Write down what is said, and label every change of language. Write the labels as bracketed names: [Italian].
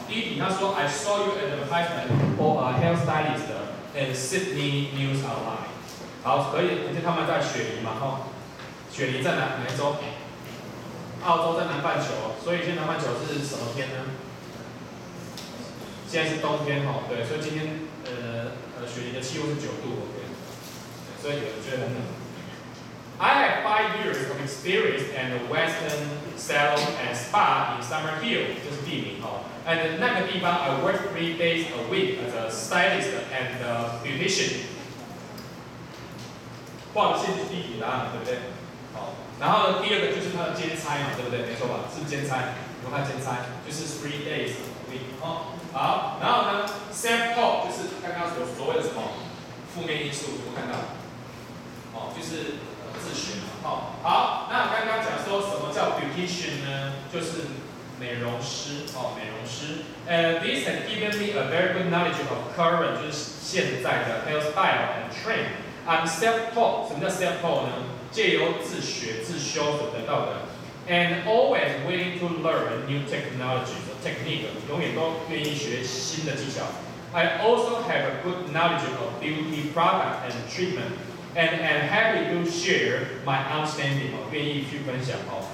[Chinese] 第一题他说 [English] I saw you advertisement for a hair stylist in Sydney News Online， [Chinese] 好，可以，而且他们在雪梨嘛哈，雪梨在哪州？澳洲在南半球，所以现在南半球是什么天呢？现在是冬天哈，对，所以今天雪梨的气温是9度 ，OK， 所以有人觉得很冷。 [English] I have 5 years of experience in the Western salon and spa in Summerhill， [Chinese] 就是地名哈。 [English] And [Chinese] 那个地方 [English] I work 3 days a week as a stylist and a beautician。 [Chinese] 画的线是地理答案，对不对？好，然后第二个就是他的兼差嘛，对不对？没错吧？是兼差，不怕兼差，就是 [English] 3 days a week [Chinese] 哈。好，然后呢 ，self-talk 就是刚刚所谓的什么负面因素，有没有看到？哦，就是。自学嘛，好，好，那刚刚讲说什么叫 beautician 呢？就是美容师，哦，美容师。 [English] This has given me a very good knowledge of current， [Chinese] 就是现在的 [English] hairstyle and trend。 I'm self-taught， [Chinese] 什么叫 self-taught 呢？借由自学、自修所得到的。 [English] And always willing to learn new technology， the technique， [Chinese] 永远都愿意学新的技巧。 [English] I also have a good knowledge of beauty product and treatment。 And am happy to share my understanding， [Chinese] 愿意去分享哦。